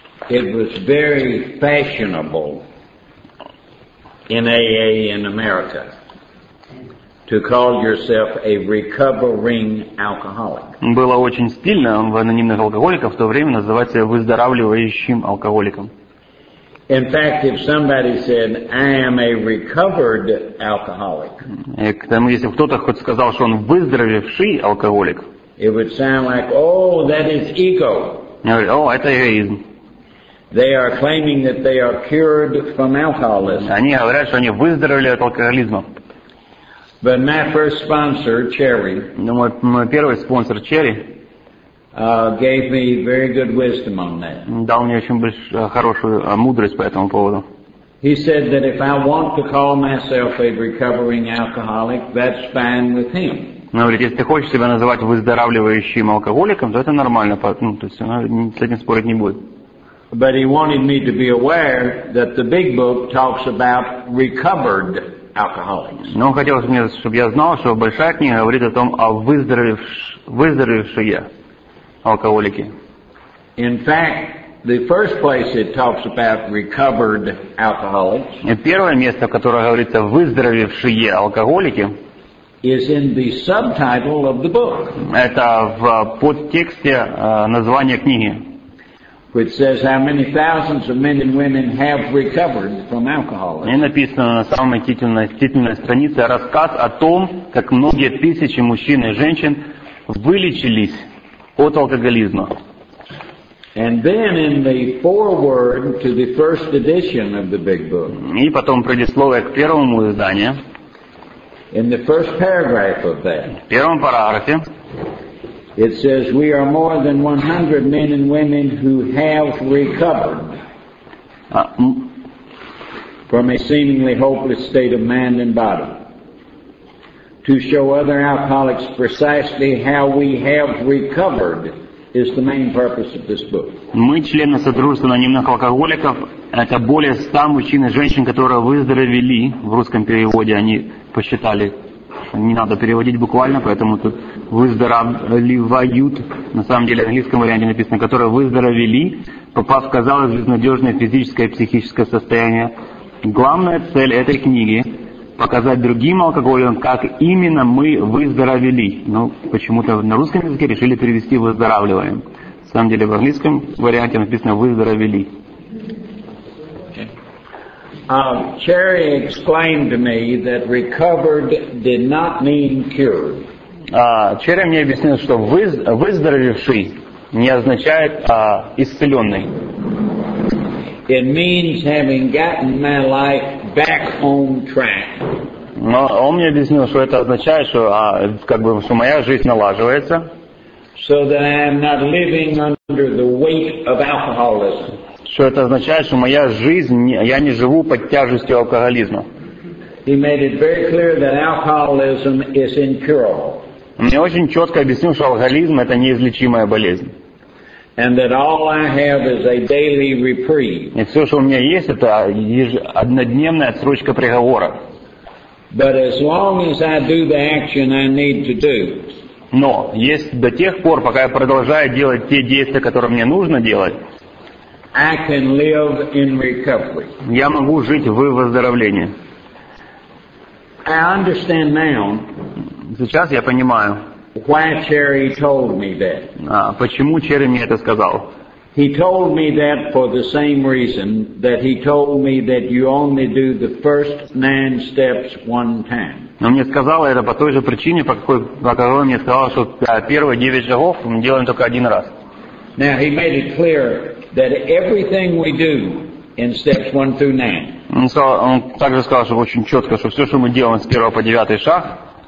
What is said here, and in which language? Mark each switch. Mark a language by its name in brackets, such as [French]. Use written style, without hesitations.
[English] it was very fashionable in AA in America to call yourself a recovering alcoholic. [Russian] Было очень стильно в анонимных алкоголиках в то время называть себя выздоравливающим алкоголиком. [English] In fact, if somebody said, "I am a recovered alcoholic," [Russian] и к тому, если кто-то хоть сказал, что он выздоровевший алкоголик, [English] it would sound like, "Oh, that is ego." [Russian] О, это эгоизм. [English] They are claiming that they are cured from alcoholism. [Russian] Они говорят, что они выздоровели от алкоголизма. [English] But my first sponsor, Cherry. [Russian] Ну, мой первый спонсор Cherry. [English] Gave me very good wisdom on that. [Russian] Дал мне очень хорошую мудрость по этому поводу. [English] He said that if I want to call myself a recovering alcoholic, that's fine with him. [Russian] Он говорит, если ты хочешь себя называть выздоравливающим алкоголиком, то это нормально, ну, то есть он с этим спорить не будет. [English] But he wanted me to be aware that the big book talks about recovered alcoholics. [Russian] Но он хотел, чтобы я знал, что большая книга говорит о том, о выздоровевшие. Алкоголики. [English] In fact, the first place it talks about recovered alcoholics. [Russian] И первое место, в котором говорится выздоровевшие алкоголики, [English] is in the subtitle of the book. [Russian] Это в подтексте названия книги. [English] Which says how many thousands of men and women have recovered from alcoholism. [Russian] И написано на самой титульной странице рассказ о том, как многие тысячи мужчин и женщин вылечились от алкоголизма. [English] And then in the foreword to the first edition of the big book. [Russian] И потом предисловие к первому изданию. [English] In the first paragraph of that. [Russian] В первом параграфе. [English] It says we are more than 100 men and women who have recovered from a seemingly hopeless state of mind and body. To show other alcoholics precisely how we have recovered is the main purpose of this book. [Russian] Мы члены Содружества анонимных алкоголиков. Это более 100 мужчин и женщин, которые выздоровели. В русском переводе они посчитали. Не надо переводить буквально, поэтому тут выздоравливают. На самом деле в английском варианте написано, которые выздоровели, попав в, казалось, безнадежное физическое и психическое состояние. Главная цель этой книги показать другим алкоголикам, как именно мы выздоровели. Ну, почему-то на русском языке решили перевести «выздоравливаем». На самом деле в английском варианте написано «выздоровели». [English] Cherry explained to me that recovered did not mean cured. [Russian] Cherry мне объяснил, что выздоровевший не означает исцеленный. [English] It means having gotten my life back on track. [Russian] Но он мне объяснил, что это означает, что, как бы, что моя жизнь налаживается. [English] so that I am not living under the weight of alcoholism. [Russian] Что это означает, что моя жизнь, я не живу под тяжестью алкоголизма. [English] He made it very clear that alcoholism is incurable. [Russian] Мне очень четко объяснил, что алкоголизм — это неизлечимая болезнь. [English] And that all I have is a daily reprieve. [Russian] И все, что у меня есть, это однодневная отсрочка приговора. [English] But as long as I do the action I need to do. [Russian] Но есть до тех пор, пока я продолжаю делать те действия, которые мне нужно делать, [English] I can live in recovery. [Russian] Я могу жить в выздоровлении. [English] I understand now. [Russian] Сейчас я понимаю, [English] why Cherry told me that. [Russian] Почему Черри мне это сказал. [English] He told me that for the same reason that he told me that you only do the first 9 steps one time. [Russian] Он мне сказал это по той же причине, по какой он мне сказал, что первые 9 шагов мы делаем только один раз. [English] Now he made it clear that everything we do in steps 1 through 9. [Russian] Он также сказал, что очень четко, что все, что мы делаем с первого по девятый шаг,